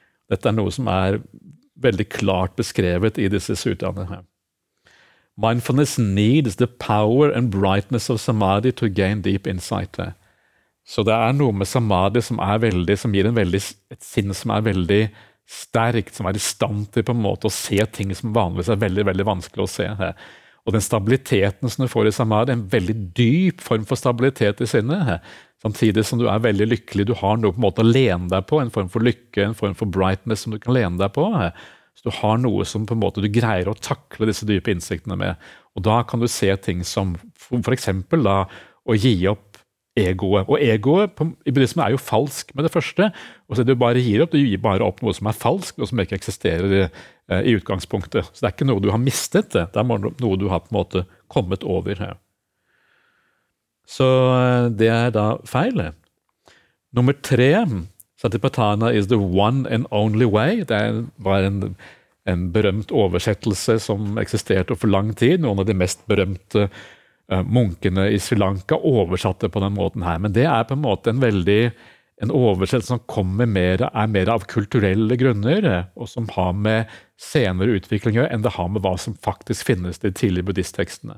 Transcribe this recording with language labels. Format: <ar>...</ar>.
<no>Dette er noe som er veldig klart beskrevet i disse sutraene her.</no> <en>Mindfulness needs the power and brightness of samadhi to gain deep insight.</en> <no>Så det er noe med samadhi som er veldig, som gir en veldig, et sinn som er veldig sterkt, som er i stand til på en måte å se ting som vanligvis er veldig, veldig vanskelig å se. Og den stabiliteten som du får i samadhi, en veldig dyp form for stabilitet i sinnet, samtidig som du er veldig lykkelig, du har noe på en måte å lene deg på, en form for lykke, en form for brightness som du kan lene deg på. Så du har noe som på en måte du greier å takle disse dype innsiktene med. Og da kan du se ting som for eksempel da, å gi opp egoet. Og egoet i buddhismen er jo falsk med det første. Og så du bare gir opp, du gir bare opp noe som er falsk, og som ikke eksisterer i utgangspunktet. Så det er ikke noe du har mistet, det er noe du har på en måte kommet over. Så det er da feil. Nummer tre,</no> <en>Satipatthana is the one and only way.</en> <no>Det var en berømt oversettelse som eksisterte for lang tid. Noen av de mest berømte munkene i Sri Lanka oversatte på den måten her. Men det er på en måte en oversettelse som kommer mer, er mer av kulturelle grunner, og som har med senere utviklinger enn det har med hva som faktisk finnes i de tidlige buddhisttekstene.</no>